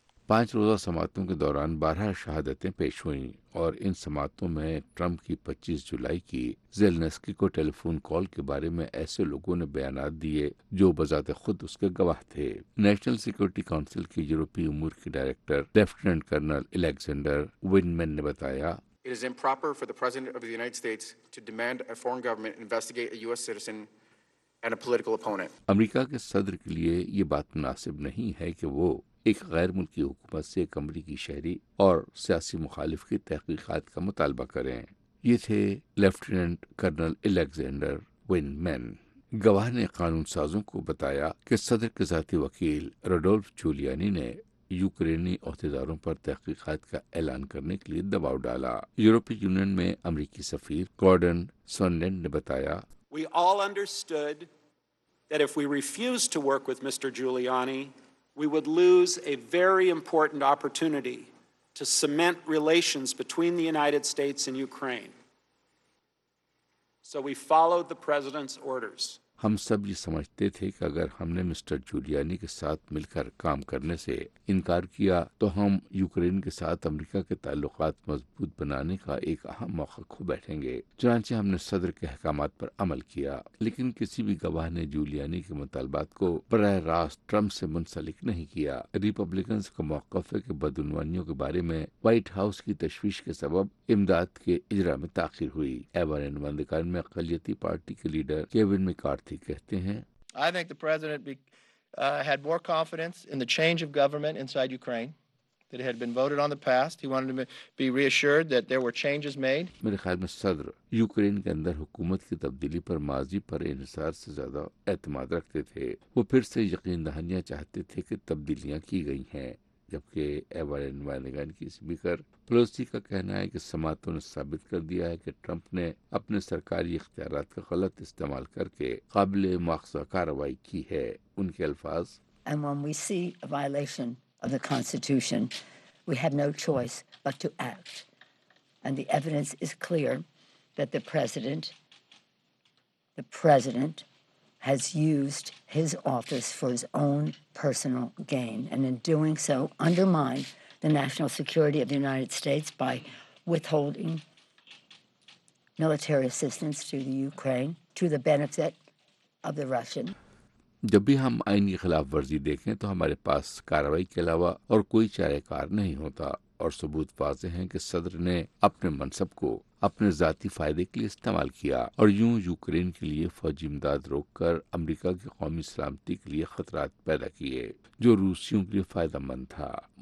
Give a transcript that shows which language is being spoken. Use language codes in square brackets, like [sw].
[ur] 5 روزہ سماعتوں کے دوران 12 شہادتیں پیش ہوئیں، اور ان سماعتوں میں ٹرمپ کی 25 جولائی کی زیلنسکی کو ٹیلی فون کال کے بارے میں ایسے لوگوں نے بیانات دیے جو بذات خود اس کے گواہ تھے۔ نیشنل سیکورٹی کونسل کے یورپی امور کے ڈائریکٹر لیفٹیننٹ کرنل الیگزینڈر وینمین نے بتایا، [en] It is improper for the President of the United States to demand a foreign government investigate a US citizen and a political opponent. [ur] امریکہ کے صدر کے لیے یہ بات مناسب نہیں ہے کہ وہ ایک غیر ملکی حکومت سے ایک امریکی شہری اور سیاسی مخالف کی تحقیقات کا مطالبہ کریں. یہ تھے لیفٹیننٹ کرنل الیگزینڈر ون مین. گواہ نے قانون سازوں کو بتایا کہ صدر کے ذاتی وکیل روڈولف جولیانی نے یوکرینی عہدیداروں پر تحقیقات کا اعلان کرنے کے لیے دباؤ ڈالا. یورپی یونین میں امریکی سفیر گارڈن سونڈن نے بتایا, [en] We all understood that if we refused to work with Mr. Giuliani, we would lose a very important opportunity to cement relations between the United States and Ukraine. So we followed the president's orders. [ur] ہم سب یہ سمجھتے تھے کہ اگر ہم نے mister جولیانی کے ساتھ مل کر کام کرنے سے انکار کیا تو ہم یوکرین کے ساتھ امریکہ کے تعلقات مضبوط بنانے کا ایک اہم موقع کھو بیٹھیں گے. چنانچہ ہم نے صدر کے احکامات پر عمل کیا, لیکن کسی بھی گواہ نے جولیانی کے مطالبات کو براہ راست ٹرمپ سے منسلک نہیں کیا. ریپبلکنز کا موقف ہے کہ بدعنوانیوں کے بارے میں وائٹ ہاؤس کی تشویش کے سبب امداد کے اجرا میں تاخیر ہوئی. ایوان انوندکان میں اقلیتی پارٹی کے لیڈر کیون میکارتی کہتے ہیں, [en] I think the president had more confidence in the change of government inside Ukraine that had been voted on the past. He wanted to be reassured that there were changes made. [ur] میرے خیال میں صدر Ukraine کے اندر حکومت کی تبدیلی پر ماضی پر انحصار سے زیادہ اعتماد رکھتے تھے. وہ پھر سے یقین دہانیاں چاہتے تھے کہ تبدیلیاں کی گئی ہیں, جبکہ ایوان انوندگان کی سپیکر پلوسی کا کہنا ہے کہ سماعتوں نے ثابت کر دیا ہے کہ ٹرمپ نے اپنے سرکاری اختیارات کا غلط استعمال کر کے قابل مواخذہ کارروائی کی ہے. ان کے الفاظ, [en] And when we see a violation of the Constitution, we have no choice but to act. And the evidence is clear that the president has used his office for his own personal gain, and in doing so undermined the national security of the United States by withholding military assistance to the Ukraine to the benefit of the Russian. [ur] جب بھی ہم آئین کی خلاف ورزی دیکھیں تو ہمارے پاس کارروائی کے علاوہ اور کوئی چارہ کار نہیں ہوتا, اور ثبوت واضح ہیں کہ صدر نے اپنے منصب کو اپنے ذاتی فائدے کے لیے استعمال کیا اور یوں یوکرین کے لیے فوجی امداد روک کر امریکہ کی قومی سلامتی کے لیے خطرات پیدا کیے جو روسیوں کے لیے فائدہ مند تھا.